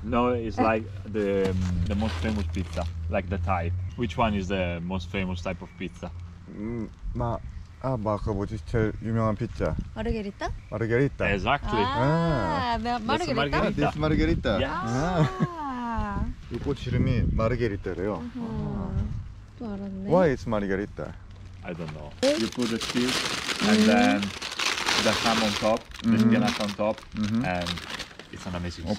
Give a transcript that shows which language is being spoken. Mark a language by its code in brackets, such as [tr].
[en] No, it's like the most famous pizza, like the type. Which one is the most famous type of pizza? [ko] 마 아 마 그 뭐지 제일 유명한 피자. 마르게리타? 마르게리타. [en] Exactly. [ko] 아, 마르게리타. [en] This Margherita. Yeah. [ko] 아. 이 꽃 이름이 마르게리타래요. 또 알았네. [en] Why is Margherita? I don't know. You put the cheese and then the ham on top, the spinach on top, and it's an amazing sandwich.